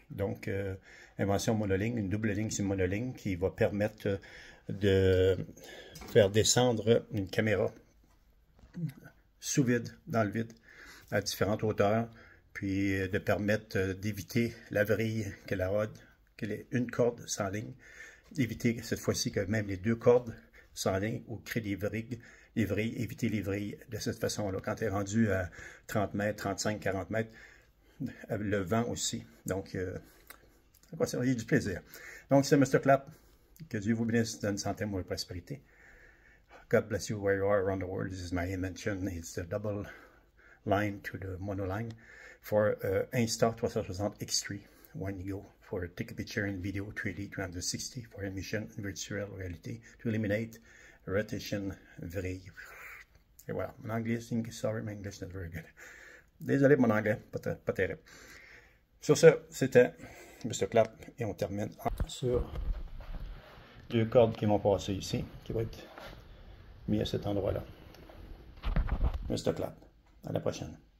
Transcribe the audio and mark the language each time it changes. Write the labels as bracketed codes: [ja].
[fr] Donc, invention monoligne, une double ligne, c'est une monoligne qui va permettre de faire descendre une caméra sous vide, dans le vide, à différentes hauteurs, puis de permettre d'éviter la vrille, qu'elle ait une corde sans ligne, d'éviter cette fois-ci que même les deux cordes sans ligne ou créer les vrilles, éviter les vrilles de cette façon-là. Quand tu es rendu à 30 mètres, 35, 40 mètres, le vent aussi. Donc, ça va y du plaisir. Donc, c'est Mr. Clap. Que Dieu vous bénisse, donne santé, amour et prospérité. [en] God bless you where you are around the world. This is my invention. It's the double line to the mono line for Insta360X3 when you go for a take a picture in video 3D 360 for immersion in virtual reality to eliminate rotation vrille. [fr] Et voilà, mon anglais, [en] think, sorry, my English not very good. [fr] Désolé, mon anglais, pas terrible. Sur ce, c'était Mr. Clap et on termine sur deux cordes qui vont passer ici, qui vont être mises à cet endroit-là. Mr. Clap, à la prochaine.